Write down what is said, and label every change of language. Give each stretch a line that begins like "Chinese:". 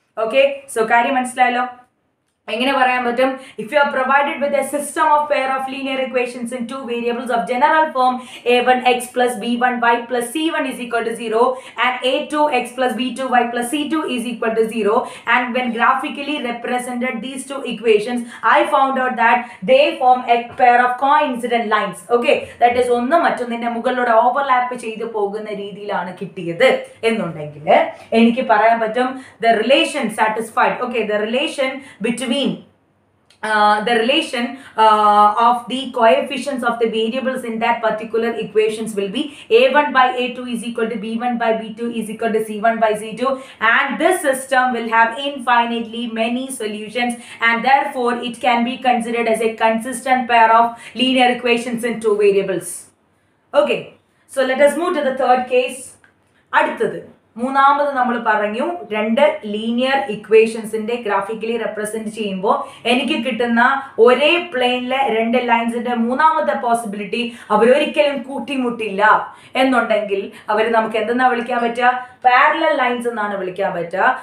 English: okay, so
Malayalam: കാര്യം മനസ്സിലായല്ലോ. എങ്ങനെ പറയാൻ പറ്റും,
English: If you are provided with a system of pair of linear equations in two variables of general form a one x plus b one y plus c one is equal to zero and a two x plus b two y plus c two is equal to zero and when graphically represented these two equations I found out that they form a pair of coincident lines.
Malayalam: Okay, that is ഒന്ന് മറ്റൊന്നിന്റെ മുകളിലൂടെ overlap ചെയ്ത് പോകുന്ന രീതിയിലാണ് കിട്ടിയത് എന്നുണ്ടെങ്കിൽ എനിക്ക് പറയാൻ പറ്റും
English: The relation satisfied. Okay, the relation between the relation of the coefficients of the variables in that particular equations will be a1 by a2 is equal to b1 by b2 is equal to c1 by c2 and this system will have infinitely many solutions and therefore it can be considered as a consistent pair of linear equations in two variables. Okay, so let us move to the third case.
Malayalam: Adutathu മൂന്നാമത് നമ്മൾ പറഞ്ഞു രണ്ട് linear ഇക്വേഷൻസിന്റെ graphically represent ചെയ്യുമ്പോൾ എനിക്ക് കിട്ടുന്ന ഒരേ പ്ലെയിനിലെ രണ്ട് ലൈൻസിന്റെ മൂന്നാമത്തെ പോസിബിലിറ്റി അവരൊരിക്കലും കൂട്ടിമുട്ടില്ല എന്നുണ്ടെങ്കിൽ അവർ നമുക്ക് എന്തെന്നാ വിളിക്കാൻ പറ്റുക, പാരലൽ ലൈൻസ് എന്നാണ് വിളിക്കാൻ പറ്റുക.